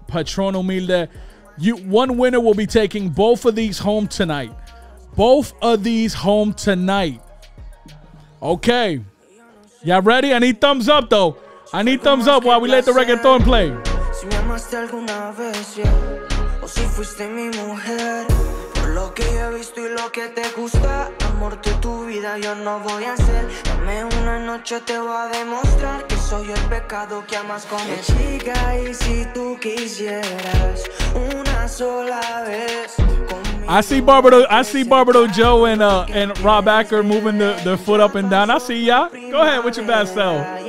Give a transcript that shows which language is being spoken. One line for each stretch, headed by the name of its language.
English: Patron Humilde. One winner will be taking both of these home tonight. Both of these home tonight. Okay. Y'all ready? I need thumbs up, though. I need thumbs up while we let the reggaeton play.
Spanish: Si me amaste alguna vez, yeah. O si fuiste mi mujer. Por lo que yo he visto y lo que te gusta. Amor de tu vida yo no voy a hacer. Dame una noche, te voy a demostrar. Que soy el pecado que amas con mi chica. Y si tú quisieras una sola vez.
English: I see Barbara Joe and Rob Acker moving their foot up and down. I see ya. Go ahead with your best self.